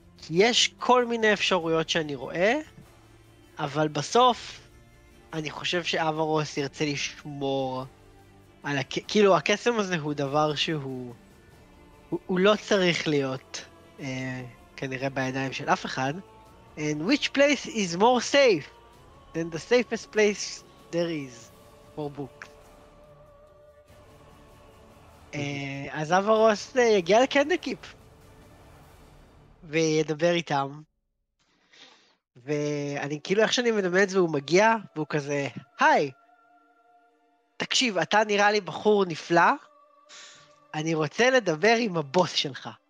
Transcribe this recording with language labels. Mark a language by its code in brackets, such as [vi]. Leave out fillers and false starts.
[he] יש כל מיני אפשרויות שאני רואה, אבל בסוף אני חושב שאברוס ירצה לשמור על כאילו הקסם הזה הוא דבר שהוא הוא לא צריך להיות כנראה בידיים של אף אחד. [en] And which place is more safe than the safest place there is for books? [he] אז אברוס יגיע לקנדקיפ וידבר איתם. ואני כאילו איך שאני מדמיין את זה, הוא מגיע והוא כזה, היי, תקשיב, אתה נראה לי בחור נפלא, אני רוצה לדבר עם הבוס שלך.